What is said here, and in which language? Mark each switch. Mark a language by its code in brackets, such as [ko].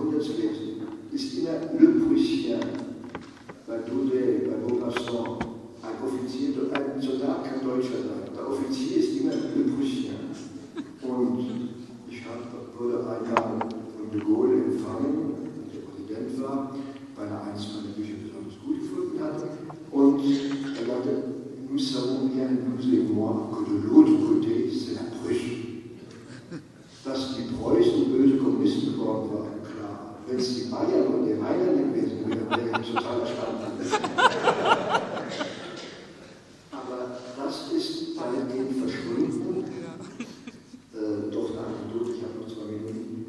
[de] Jahrhunderts lesen, ist immer Le Prussien bei Doudet, bei Maupassant, ein Offizier, ein Soldat kann Deutscher sein. Der Offizier ist immer Le Prussien. Und ich wurde ein Jahr von De Gaulle empfangen, der Präsident war, weil er eins meiner Bücher besonders gut gefunden hatte. Und er sagte, [fr] nous savons bien, nous et moi, que de l'autre côté, c'est la Prusche. [de] Dass die Preußen böse Kommunisten geworden waren, klar. Wenn es die Bayern und die Rheinländer gewesen wären, wäre ich total erstaunt. Aber das ist weitgehend verschwunden. Ich habe nur zwei Minuten.